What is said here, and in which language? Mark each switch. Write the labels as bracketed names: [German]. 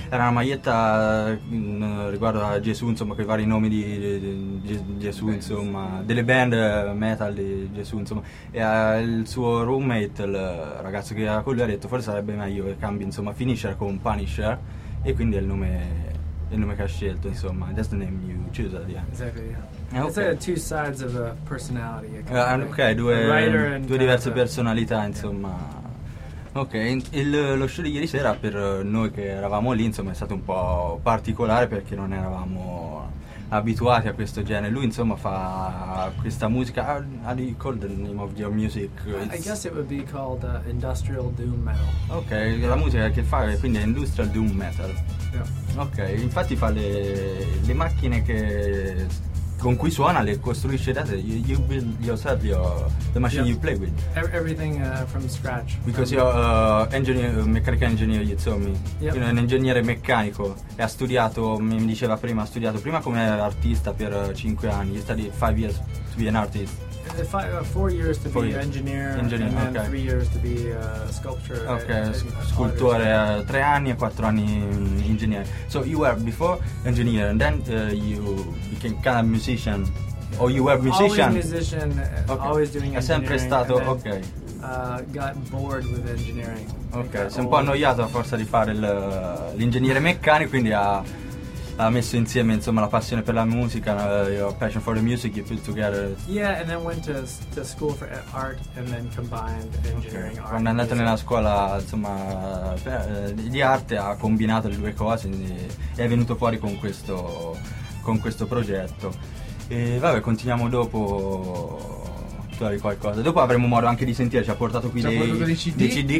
[Italian] Era una maglietta riguardo a Gesù, insomma, con i vari nomi di Gesù, insomma, delle band metal di Gesù, insomma. E il suo roommate, il ragazzo che era con lui, ha detto forse sarebbe meglio che cambi, insomma, Finisher con Punisher, e quindi è il nome che ha scelto, insomma. [English] That's the name you choose at the end. Exactly, yeah. Okay. It's like two sides of a personality. [Italian] Okay, due diverse personalità, insomma. Yeah. Ok, lo show di ieri sera per noi che eravamo lì, insomma, è stato un po' particolare, perché non eravamo abituati a questo genere. Lui, insomma, fa questa musica. [English] How do you call the name of your music? I guess it would be called industrial doom metal. [Italian] Ok, la musica che fa è, quindi, è industrial doom metal. [English] Yeah. [Italian] Ok, infatti fa le macchine che con cui suona, le costruisce da te. [English] You build yourself the machine. Yep. You play with everything from scratch, because you're mechanical engineer, you told me. Yep. You know, [Italian] un ingegnere meccanico, e ha studiato, mi diceva prima, ha studiato prima come artista per 5 anni. [English] You studied 5 years to be an artist. 4 years to be engineer, and okay. 3 years to be sculptor. [Italian] Okay, scultore, 3 anni e 4 anni ingegnere. [English] So you were before engineer, and then you became kind of musician. Or you were musician? Always musician, okay. Always doing engineering. [Italian] È sempre stato, okay. [English] Got bored with engineering. [Italian] Okay, si è un po' annoiato a forza di fare l'ingegnere meccanico, quindi ha messo insieme, insomma, la passione per la musica, [English] your passion for the music, you put together. Yeah, and then went to school for art, and then combined engineering. Okay. Art. [Italian] Quando è andato nella scuola, insomma, di arte, ha combinato le due cose, quindi è venuto fuori con questo progetto. E vabbè, continuiamo dopo. Tu hai qualcosa? Dopo avremo modo anche di sentire. Ci ha portato qui dei CD